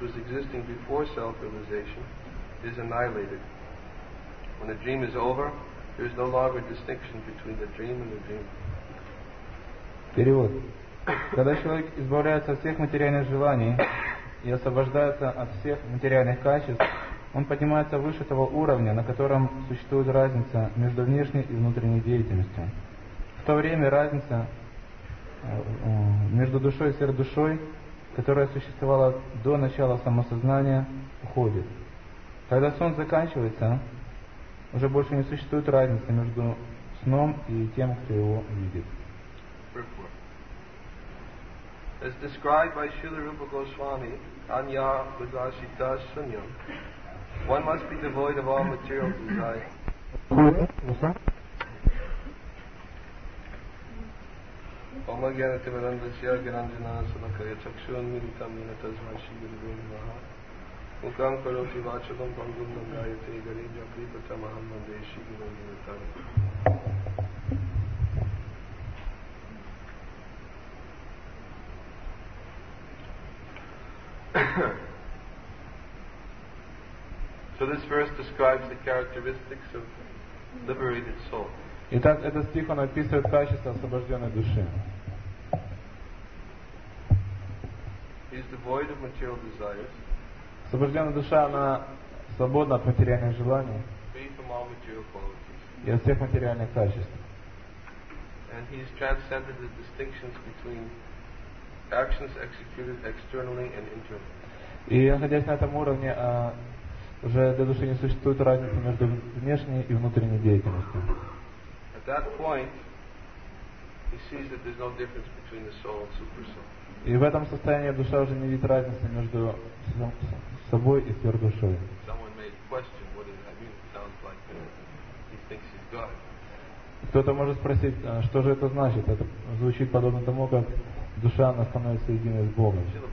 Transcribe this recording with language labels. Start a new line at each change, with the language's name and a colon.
English: Self-realization is annihilated. When a dream is over, there is no longer a distinction between the dream and the dreamer.
Russian: Перевод. Когда человек избавляется от всех материальных желаний и освобождается от всех материальных качеств, он поднимается выше того уровня, на котором существует разница между внешней и внутренней деятельностью. В то время разница между душой и сверхдушой, которая существовала до начала самосознания, уходит. Когда сон заканчивается, уже больше не существует разницы между сном и тем, кто его видит.
English: As described by Srila Rupa Goswami,
Sanskrit: Anya Vidashita Sunyam,
English: one must be devoid of all material desire.
Sanskrit: Om Agyanate Vedanta Siya Giranjana Sanakaya Chakshun Militam Yinata Zvashi Yudhu Maha Мукам короти вачалам пангунам гаяте игаринджа крипата махамма деши гирони ватари.
English: So this verse describes the characteristics of liberated soul.
Russian: Итак, этот стих он описывает качества освобожденной души.
English: He's devoid of material desires.
Russian: Освобожденная душа, она свободна от материальных желаний.
English: Free from all material qualities.
Russian: И от всех материальных качеств.
English: And he has transcended the distinctions between actions executed externally and internally.
Russian: И находясь на этом уровне, уже для души не существует разницы между внешней и внутренней деятельностью.
English: At that point, he sees that there's no difference between the soul and supersoul.
Russian: И в этом состоянии душа уже не видит разницы между собой и сверхдушой.
English: Someone may question, what does that mean? It sounds like he thinks he's God.
Russian: Кто-то может спросить, что же это значит? Это звучит подобно тому, как душа, она становится единой с Богом.